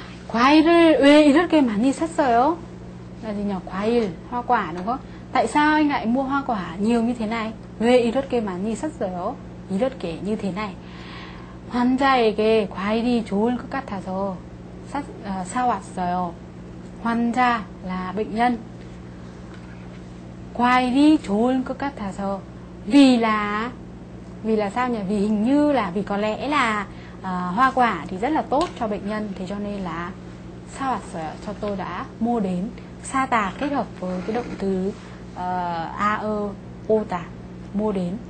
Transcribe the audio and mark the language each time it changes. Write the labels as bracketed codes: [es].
[ko] 과일을 왜 이렇게 많이 샀어요? [vi] là gì nhỉ? 과일, hoa quả đúng không? Tại sao anh lại mua hoa quả nhiều như thế này? [ko] 왜 이렇게 많이 샀어요? [vi] 이렇게 như thế này. [ko] 환자에게 과일이 좋을 것 같아서 사왔어요. [vi] 환자 là bệnh nhân. [ko] 과일이 좋을 것 같아서 [vi] vì là sao nhỉ? Vì hình như là vì có lẽ là hoa quả thì rất là tốt cho bệnh nhân, thế cho nên là [ko] 사왔어요. [vi] Cho tôi đã mua đến. 사다 kết hợp với cái động từ ơ ô tả mua đến.